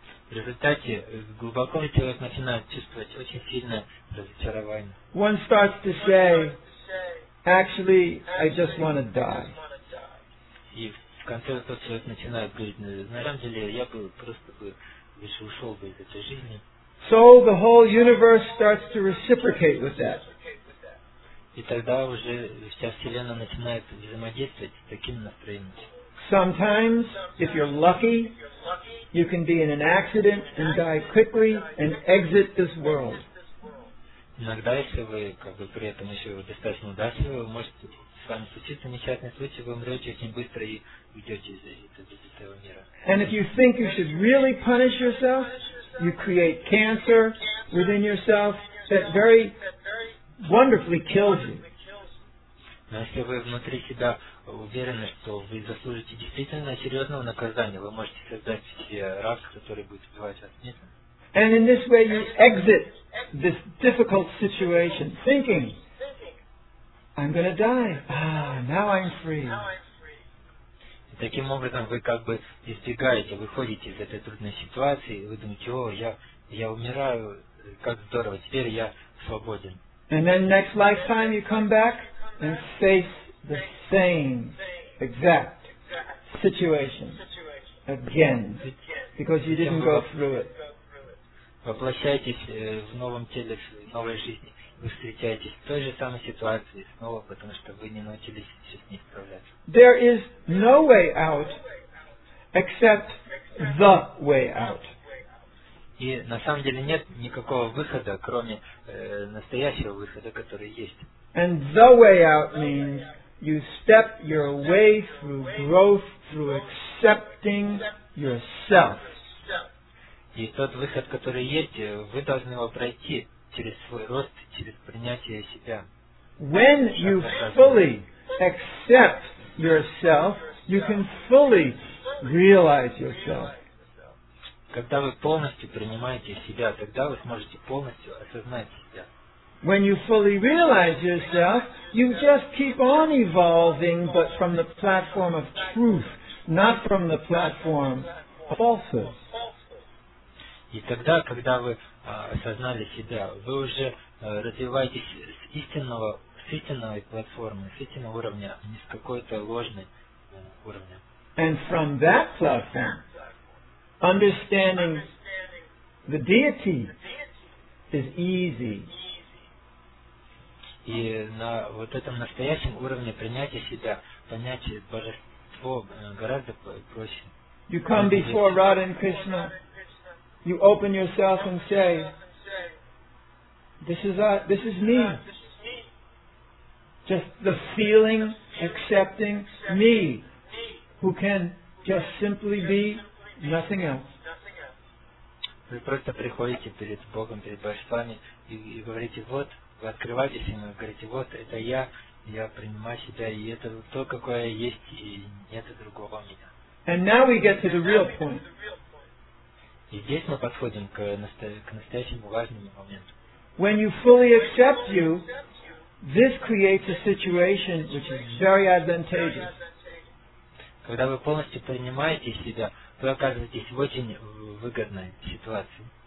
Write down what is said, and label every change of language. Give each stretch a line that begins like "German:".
Russian: В результате глубоко человек начинает чувствовать очень сильное разочарование.
English: One starts to say, actually, I just want to die.
Russian: И в конце тот человек начинает говорить, на самом деле я бы просто бы лишь ушел бы из этой жизни.
English: So the whole universe starts to reciprocate with that.
Russian: И тогда уже вся Вселенная начинает взаимодействовать с таким настроением.
English: Sometimes, if you're lucky, you can be in an accident and die quickly and exit this world.
Russian: Иногда, если вы как бы при этом еще достаточно удачливы, вы можете с вами случиться несчастный случай, вы умрете очень быстро и уйдете из этого мира.
English: And if you think you should really punish yourself, you create cancer within yourself that very wonderfully kills you.
Russian: Но если вы внутри себя уверены, что вы заслужите действительно серьезного наказания, вы можете создать себе рак, который будет убивать вас вместе.
English: And in this way you exit this difficult situation thinking, I'm going to die. Now I'm free.
Russian: Таким образом вы как бы избегаете, выходите из этой трудной ситуации, вы думаете, о, я умираю, как здорово, теперь я свободен.
English: And then next lifetime you come back and face the same exact situation again, because you didn't go through it.
Russian: Воплощаетесь в новом теле, в новой жизни, вы встречаетесь в той же самой ситуации снова, потому что вы не научились с ней справляться.
English: There is no way out except the way out.
Russian: И на самом деле нет никакого выхода, кроме настоящего выхода, который есть.
English: And the way out means you step your way through growth, through accepting yourself.
Russian: И тот выход, который есть, вы должны его пройти через свой рост, через принятие себя.
English: When you fully accept yourself, you can fully realize yourself.
Russian: Когда вы полностью принимаете себя, тогда вы сможете полностью осознать себя.
English: When you fully realize yourself, you just keep on evolving, but from the platform of truth, not from the platform of falsehood.
Russian: И тогда, когда вы осознали себя, вы уже развиваетесь с истинной платформы, с истинного уровня, а не с какой-то ложной уровня.
English: And from that platform, understanding the deity is easy.
Russian: И на вот этом настоящем уровне принятия себя, понять божество гораздо проще.
English: You come before Radha and Krishna. You open yourself and say, this is me. Just the feeling, accepting me, who can just simply be nothing else.
Russian: Вы просто приходите перед Богом, перед Божествами и говорите, вот, вы открываетесь ему, говорите, вот, это я принимаю себя, и это то, какое есть, и нет другого меня.
English: And now we get to the real point.
Russian: И здесь мы подходим к настоящему важному моменту.
English: When you fully accept you, this creates a situation which is very advantageous.
Russian: Когда вы полностью принимаете себя, вы оказываетесь в очень выгодной ситуации.